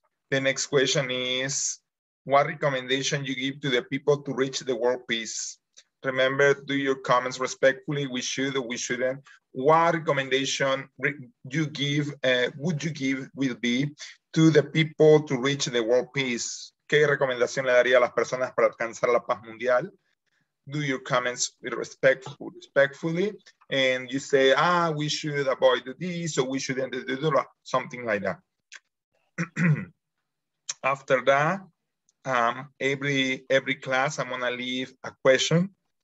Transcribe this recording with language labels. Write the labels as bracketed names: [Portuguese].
[English] The next question is, what recommendation you give to the people to reach the world peace? Remember, do your comments respectfully. We should or we shouldn't. What recommendation would you give to the people to reach the world peace? [Spanish] ¿Qué recomendación le daría a las personas para alcanzar la paz mundial? [English] Do your comments respectfully. And you say, we should avoid this, or we shouldn't do that, something like that. After that, every class, I'm gonna leave a question.